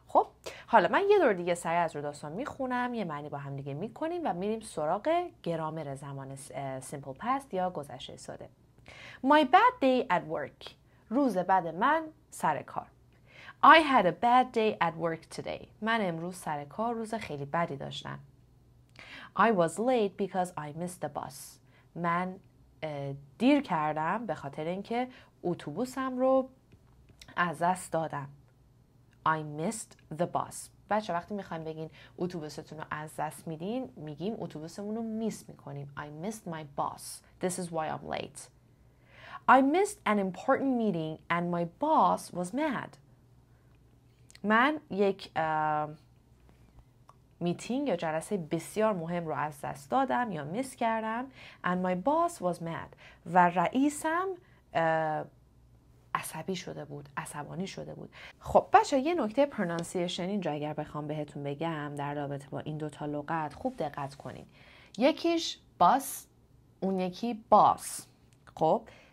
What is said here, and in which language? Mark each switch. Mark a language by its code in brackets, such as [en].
[fa] خب حالا من یه دور دیگه سریع از رو داستان میخونم، یه معنی با هم دیگه میکنیم و میریم سراغ گرامر زمان سیمپل پست یا گذشته ساده. [en] My bad day at work. [fa] روز بد من سر کار. [en] I had a bad day at work today. [fa] من امروز سر کار روز خیلی بدی داشتم. [en] I was late because I missed the bus. [fa] من دیر کردم به خاطر اینکه اتوبوسم رو از دست دادم. [en] I missed the bus. [fa] بچه وقتی میخوایم بگین اتوبوستون رو از دست میدین، میگیم اتوبوسمون رو میس میکنیم. [en] I missed my bus. This is why I'm late. I missed an important meeting and my boss was mad. [fa] من یک میتینگ یا جلسه بسیار مهم رو از دست دادم یا میس کردم. [en] And my boss was mad. [fa] و رئیسم عصبی شده بود، عصبانی شده بود. خب بچه یه نکته پرنانسیشن اینجا اگر بخوام بهتون بگم در رابطه با این دوتا لغت، خوب دقت کنین. یکیش باس، اون یکی باس. خب